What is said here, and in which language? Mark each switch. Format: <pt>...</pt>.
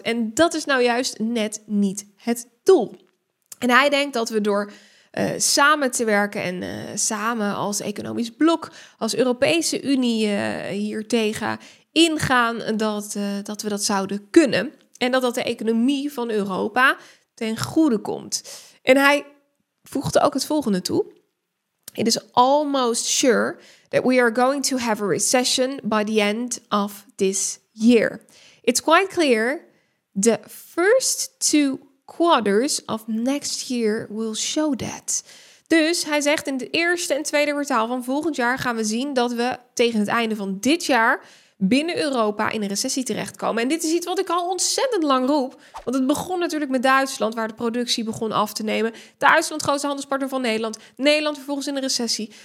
<nl>En dat is nou juist net niet het doel. En hij denkt dat we door samen te werken en samen als economisch blok, als Europese Unie hiertegen ingaan, dat we dat zouden kunnen. En dat dat de economie van Europa ten goede komt. En hij voegde ook het volgende toe.</nl> <en>It is almost sure that we are going to have a recession by the end of this year. It's quite clear the first 2 quarters of next year will show that.</en> <nl>Dus hij zegt in het eerste en tweede kwartaal van volgend jaar gaan we zien dat we tegen het einde van dit jaar binnen Europa in een recessie terechtkomen. En dit is iets wat ik al ontzettend lang roep. Want het begon natuurlijk met Duitsland, waar de productie begon af te nemen. Duitsland, grootste handelspartner van Nederland. Nederland vervolgens in een recessie.</nl>